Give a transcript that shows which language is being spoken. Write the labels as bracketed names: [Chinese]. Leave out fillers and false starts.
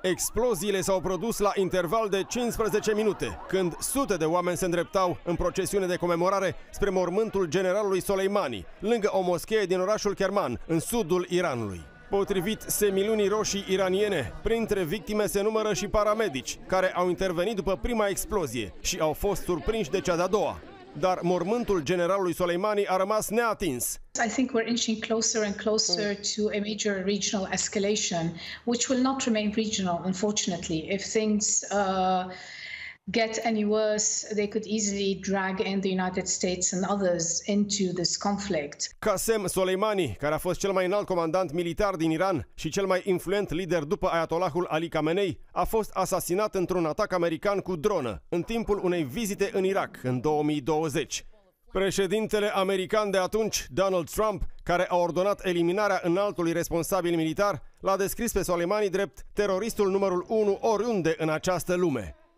[Romanian] Exploziile s-au produs la interval de 15 minute, când sute de oameni se îndreptau în procesiune de comemorare spre mormântul generalului Soleimani, lângă o moschee din orașul Kerman, în sudul Iranului. Potrivit Semilunii Roșii iraniene, printre victime se numără și paramedici, care au intervenit după prima explozie și au fost surprinși de cea de-a doua. Dar mormântul generalului Soleimani a rămas neatins. [English] I think we're inching closer and closer to a major regional escalation, which will not remain regional, unfortunately. If things get any worse, they could easily drag in the United States and others into this conflict. [Romanian] Qasem Soleimani, care a fost cel mai înalt comandant militar din Iran și cel mai influent lider după Ayatollahul Ali Khamenei, a fost asasinat într-un atac american cu dronă în timpul unei vizite în Irak în 2020. Președintele american de atunci, Donald Trump, care a ordonat eliminarea înaltului responsabil militar, l-a descris pe Soleimani drept teroristul numărul 1 oriunde în această lume.